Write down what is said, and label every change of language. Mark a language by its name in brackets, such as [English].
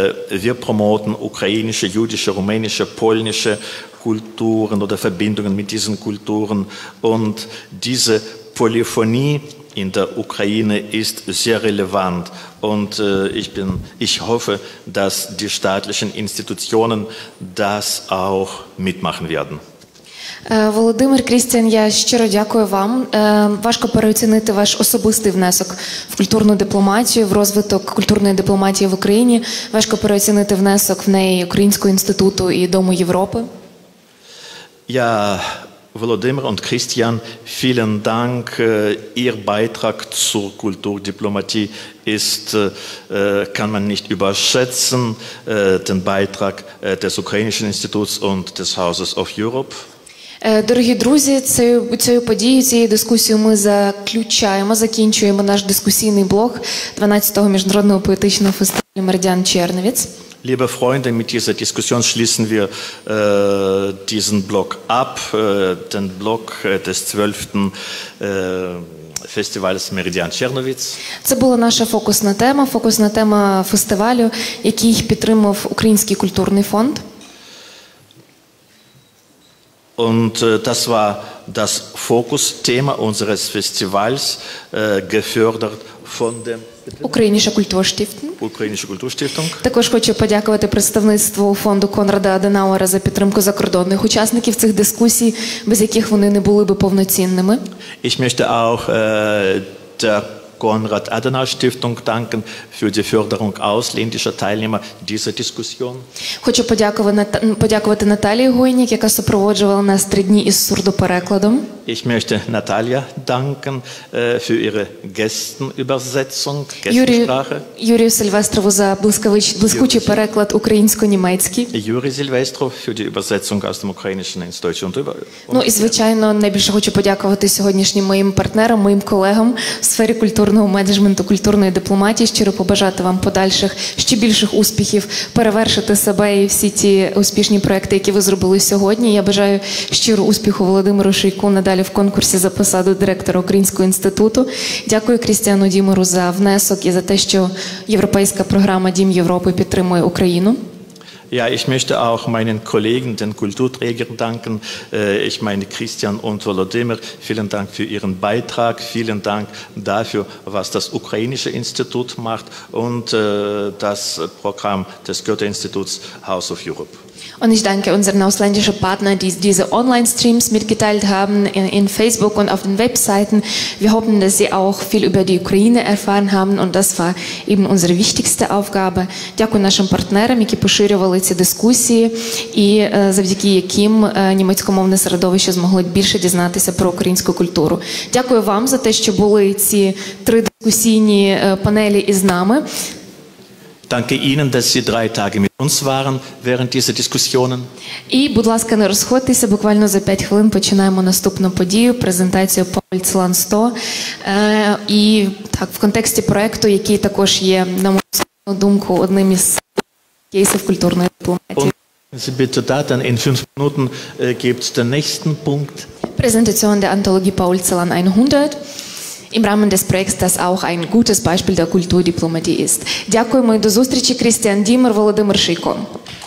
[German] Wir promoten ukrainische, jüdische, rumänische, polnische Kulturen oder Verbindungen mit diesen Kulturen und diese Polyphonie in der Ukraine ist sehr relevant und ich hoffe, dass die staatlichen Institutionen das auch mitmachen werden. [Ukrainian] Володимир, Крістіан, я щиро дякую вам. Важко переоцінити ваш особистий внесок в культурну дипломатію, в розвиток культурної дипломатії в Україні. Важко переоцінити внесок в неї Українського інституту і Дому Європи. Я... [German] Володимир und Christian, vielen Dank. Ihr Beitrag zur Kulturdiplomatie ist, kann man nicht überschätzen, den Beitrag des Ukrainischen Instituts und des Houses of Europe. [Ukrainian] Дорогі друзі, цією подією, цією дискусією ми заключаємо, закінчуємо наш дискусійний блок 12-го міжнародного поетичного фестивалю «Меридіан Черновіць». [German] Liebe Freunde, mit dieser Diskussion schließen wir diesen Block ab, den Block des 12. Festivals Meridian Czernowitz. [Ukrainian] Це була наша фокусна тема фестивалю, який підтримав Український культурний фонд. [German] Und das war das Fokusthema unseres Festivals, gefördert von dem Ukrainische Kulturstiftung. [Ukrainian] Також хочу подякувати представництву фонду Конрада Аденауера за підтримку закордонних учасників цих дискусій, без яких вони не були б повноцінними. [German] Ich möchte auch der Konrad Adenauer Stiftung danken für die Förderung ausländischer Teilnehmer dieser Diskussion. [Ukrainian] Хочу подякувати Наталії Гойнік, яка супроводжувала нас 3 дні із сурдоперекладом. [German] Ich möchte Natalia danken für ihre Gästenübersetzung, Gästensprache. [Ukrainian] Юрію Сильвестрову за блискучий переклад українсько-німецький. [German] Юрі Сильвестров für die Übersetzung aus dem Ukrainischen ins Deutsche und über. [Ukrainian] Ну, і звичайно, найбільше хочу подякувати сьогоднішнім моїм партнерам, моїм колегам в сфері культурного менеджменту, культурної дипломатії, щиро побажати вам подальших, ще більших успіхів, перевершити себе і всі ті успішні проекти, які ви зробили сьогодні. Я бажаю щиро успіху Володимиру Шийку надалі в конкурсі за посаду директора Українського інституту. Дякую Крістіану Дімору за внесок і за те, що європейська програма «Дім Європи» підтримує Україну. [German] Ja, ich möchte auch meinen Kollegen, den Kulturträgern danken. Ich meine Christian und Volodymyr, vielen Dank für Ihren Beitrag. Vielen Dank dafür, was das Ukrainische Institut macht und das Programm des Goethe-Instituts House of Europe. Und ich danke unseren ausländischen Partnern, die diese Online-Streams mitgeteilt haben in Facebook und auf den Webseiten. Wir hoffen, dass sie auch viel über die Ukraine erfahren haben und das war eben unsere wichtigste Aufgabe. [Ukrainian] Дякую нашим партнерам, які поширювали ці дискусії і завдяки яким німецькомовне середовище змогло більше дізнатися про українську культуру. Дякую вам за те, що були ці 3 дискусійні панелі із нами. [German] Danke Ihnen, dass Sie 3 Tage mit uns waren während dieser Diskussionen. [Ukrainian] І, будь ласка, не розходьтеся, буквально за 5 хвилин починаємо наступну подію, презентацію Польцлан 100. І так, в контексті проєкту, який також є, на мою думку, одним із кейсів культурної дипломатії. [German] Bitte da, dann in 5 Minuten gibt's den nächsten Punkt. Präsentation der Anthologie Польцлан 100. Im Rahmen des Projekts, das auch ein gutes Beispiel der Kulturdiplomatie ist. [Ukrainian] Дякуємо і до зустрічі, [German] Крістіан Дімор, Володимир Шийко.